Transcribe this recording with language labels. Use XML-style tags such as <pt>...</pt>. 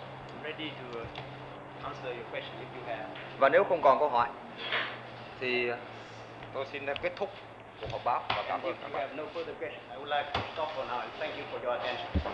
<en>I'm ready to answer your question if you have.</en> <vi>Và nếu không còn câu hỏi thì tôi xin kết thúc cuộc họp báo và cảm ơn các bạn.</vi> <en>No further question. I would like to stop for now. Thank you for your attention.</en>